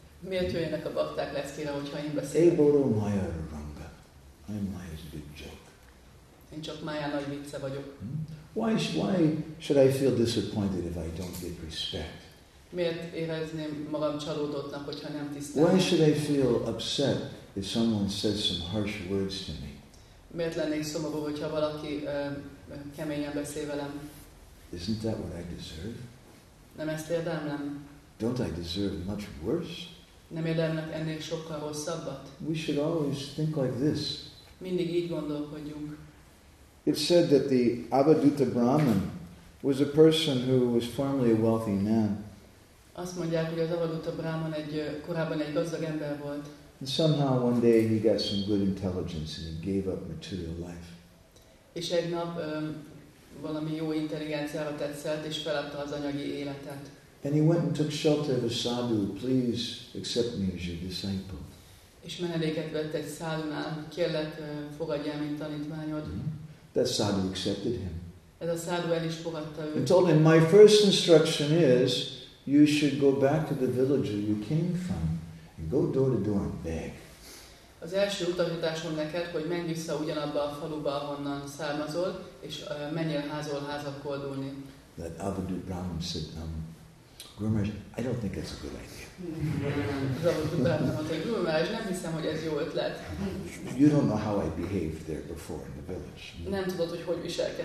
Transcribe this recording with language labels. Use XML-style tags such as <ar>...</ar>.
<hu>Miért jöjjenek a bakták leszkére, hogyha én beszélek?</hu> <bn>Eboru Maya Naranga.</bn> <en>I'm Maya's big joke.</en> <hu>Én csak Maya nagy vicce vagyok.</hu> <en>Why should I feel disappointed if I don't get respect?</en> <hu>Miért érezném magam csalódottnak, hogyha nem tisztelnek?</hu> <en>Why should I feel upset if someone says some harsh words to me?</en> <hu>Miért lennék szomorú, hogyha valaki keményen beszél velem?</hu> <en>Isn't that what I deserve?</en> <hu>Nem ezt érdemlem?</hu> <en>Don't I deserve much worse?</en> <hu>Nem érdemlek ennél sokkal rosszabbat?</hu> <en>We should always think like this.</en> <hu>Mindig így gondolkodjunk.</hu> <en>It said that the Avadhuta Brahman was a person who was formerly a wealthy man.</en> <hu>Azt mondják, hogy az Avadhuta Brahman korábban egy gazdag ember volt.</hu> <en>And somehow one day he got some good intelligence and he gave up material life.</en> <hu>És egy nap valami jó intelligenciára tetszett, és feladta az anyagi életet.</hu> <en>And he went and took shelter of a sadhu, please accept me as your disciple.</en> <hu>És menedéket vett egy sadhunál, kérlek, fogadj el, mint tanítványod.</hu> <en>That sadhu accepted him.</en> <hu>Ez a sadhu el is fogadta őt.</hu> <en>And told him, my first instruction is, you should go back to the village where you came from and go door to door and beg.</en> <hu>Az első utasításom neked, hogy menj vissza ugyanabba a faluba, ahonnan származol, és menjél házol házak koldulni.</hu> <en>That Avadhut Brahman said, Guru Maharaj, I don't think that's a good idea. You don't know how I behaved there before in the village.</en>